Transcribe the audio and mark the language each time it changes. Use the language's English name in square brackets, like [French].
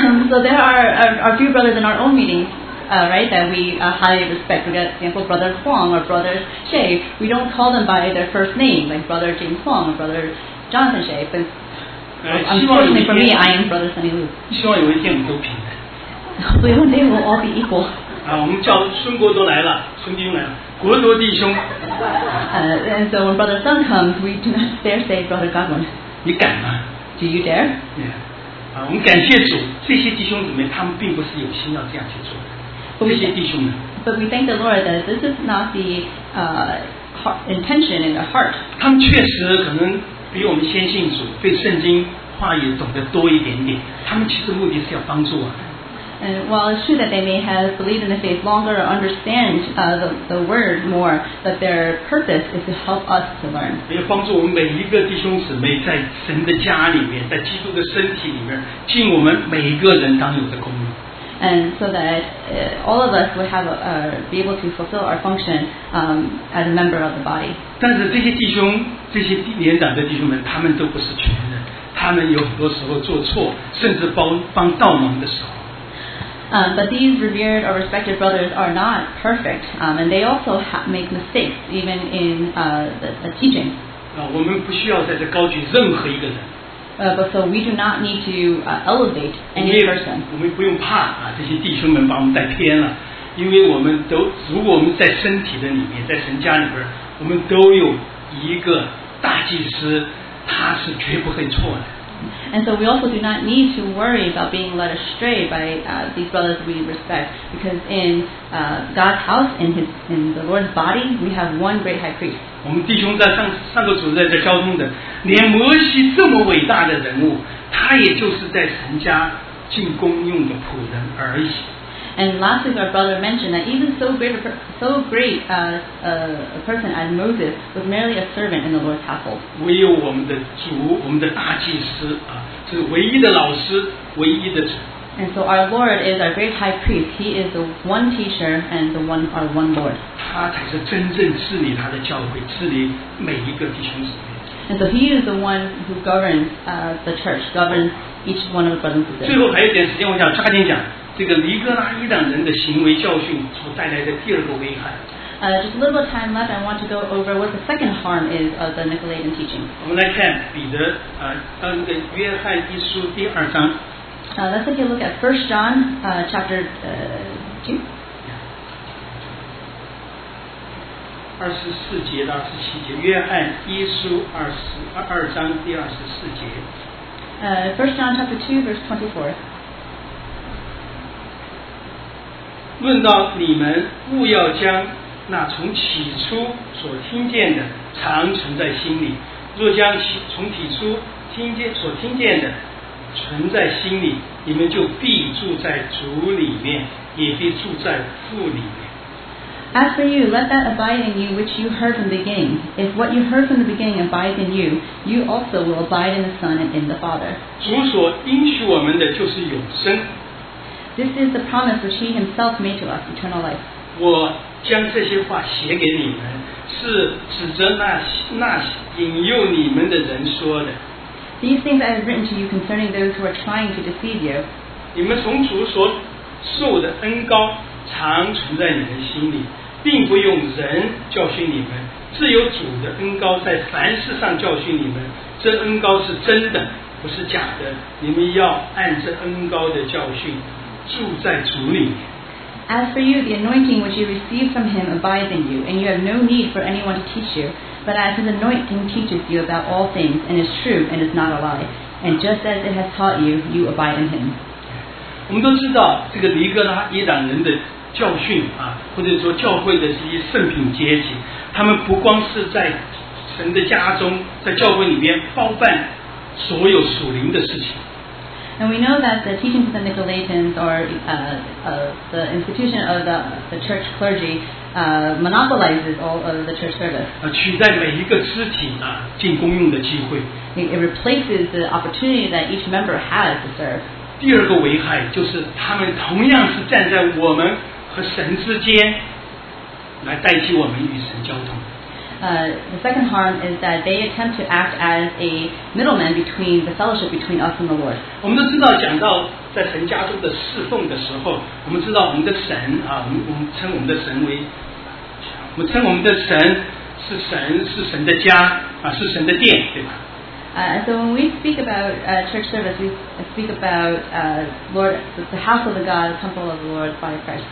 [English] So there are a few brothers in our own meetings. Right, that we highly respect. For example, Brother Huang or Brother Shea, we don't call them by their first name, like Brother James Huang or Brother Jonathan Shea, but Unfortunately for me, I am Brother Sunny Lu. So one day we'll all be equal. [Chinese] 啊，我们叫孙国都来了，孙弟兄来了，国多弟兄。 [English] And so when Brother Sun comes, we do not dare say Brother Godwin. [Chinese] 你敢吗 [English] ？Do you dare? [Chinese] Yeah. 啊，我们感谢主，这些弟兄姊妹他们并不是有心要这样去做的。这些弟兄们。 [English] But we thank the Lord that this is not the intention in the heart. [Chinese] 他们确实可能比我们先信主，对圣经话语懂得多一点点。他们其实目的是要帮助我们。 [English] And while it's true that they may have believed in the faith longer or understand the word more, but their purpose is to help us to learn. [Chinese] 要帮助我们每一个弟兄姊妹在神的家里面，在基督的身体里面，尽我们每一个人当有的功用。 [English] And so that all of us would have be able to fulfill our function as a member of the body. [Chinese] 但是这些弟兄，这些年长的弟兄们，他们都不是全人，他们有很多时候做错，甚至帮倒忙的时候。 [English] But these revered or respected brothers are not perfect, and they also make mistakes even in the teaching. [Chinese] 我们不需要在这高举任何一个人。 [English] But so we do not need to elevate any person. [Chinese] 我们不用怕啊，这些弟兄们把我们带偏了，因为我们都如果我们在身体的里面，在神家里边，我们都有一个大祭司，他是绝不会错的。 [English] And so we also do not need to worry about being led astray by these brothers we respect, because in God's house, in the Lord's body, we have one great high priest. [Chinese] 我们弟兄在上个主日在交通的，连摩西这么伟大的人物，他也就是在神家进宫用的仆人而已。 [English] And last week our brother mentioned that even so great a person as Moses was merely a servant in the Lord's household. [Chinese] 唯有我们的主，我们的大祭司啊，是唯一的老师，唯一的主。 [English] And so our Lord is our great high priest. He is the one teacher and the one our one Lord. [Chinese] 他才是真正治理他的教会，治理每一个弟兄姊妹。 [English] And so he is the one who governs the church, governs each one of the brothers. [Chinese] 最后还有一点时间，我想抓紧讲。这个尼哥拉伊党人的行为教训所带来的第二个危害。 [English] Just a little bit of time left, I want to go over what the second harm is of the Nicolaitan teaching. [Chinese] 我们来看彼得那个约翰一书第二章。 [English] Let's take a look at 1 John chapter 2. [Chinese] 24节到27节，约翰一书二章第24节。 [English] 1 John chapter 2 verse 24. [Chinese] 论到你们务要将那从起初所听见的常存在心里，若将从起初所听见的存在心里，你们就必住在主里面，也必住在父里面。 [English] As for you, let that abide in you which you heard from the beginning. If what you heard from the beginning abides in you, you also will abide in the Son and in the Father. [Chinese] 主所应许我们的就是永生。 [English] This is the promise which he himself made to us, eternal life. [Chinese] 我将这些话写给你们，是指着那引诱你们的人说的。 [English] These things I have written to you concerning those who are trying to deceive you. [Chinese] 你们从主所受的恩膏常存在你们心里，并不用人教训你们，自有主的恩膏在凡事上教训你们。这恩膏是真的，不是假的。你们要按这恩膏的教训。 [English] As for you, the anointing which you received from him abides in you, and you have no need for anyone to teach you. But as his anointing teaches you about all things, and is true, and is not a lie, and just as it has taught you, you abide in him. [Chinese] 我们都知道这个尼哥拉伊党人的教训啊，或者说教会的这些圣品阶级，他们不光是在神的家中，在教会里面包办所有属灵的事情。 [English] And we know that the teachings of the Nicolaitans or the institution of the church clergy monopolizes all of the church service. [Chinese] 取代每一个肢体啊进公用的机会。 [English] It replaces the opportunity that each member has to serve. [Chinese] 第二个危害就是他们同样是站在我们和神之间，来代替我们与神交通。 [English] The second harm is that they attempt to act as a middleman between the fellowship between us and the Lord. [Chinese] 我们都知道，讲到在神家中的侍奉的时候，我们知道我们的神啊，我们称我们的神为，我们称我们的神是神，是神的家啊，是神的殿，对吧？ [English] So when we speak about church service, we speak about Lord, the house of the God, the temple of the Lord, body of Christ.